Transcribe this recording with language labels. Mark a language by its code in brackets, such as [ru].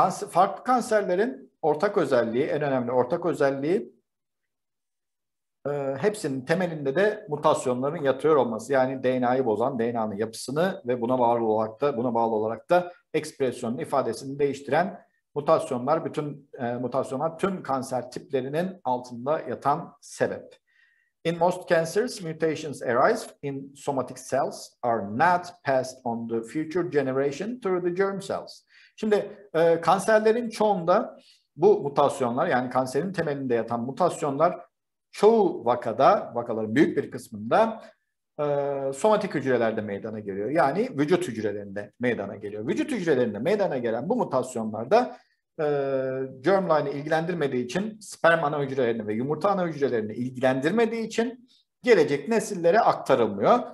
[tr] Farklı kanserlerin ortak özelliği, en önemli ortak özelliği hepsinin temelinde de mutasyonların yatıyor olması. Yani DNA'yı bozan DNA'nın yapısını ve buna bağlı olarak da ekspresyonun ifadesini değiştiren mutasyonlar, mutasyonlar tüm kanser tiplerinin altında yatan sebep. [en] In most cancers, mutations arise in somatic cells are not passed on the future generation through the germ cells. [tr] Şimdi kanserlerin çoğunda bu mutasyonlar, yani kanserin temelinde yatan mutasyonlar çoğu vakaların büyük bir kısmında somatik hücrelerde meydana geliyor. Yani vücut hücrelerinde meydana geliyor. Vücut hücrelerinde meydana gelen bu mutasyonlarda germline'i ilgilendirmediği için, sperm ana hücrelerini ve yumurta ana hücrelerini ilgilendirmediği için gelecek nesillere aktarılmıyor.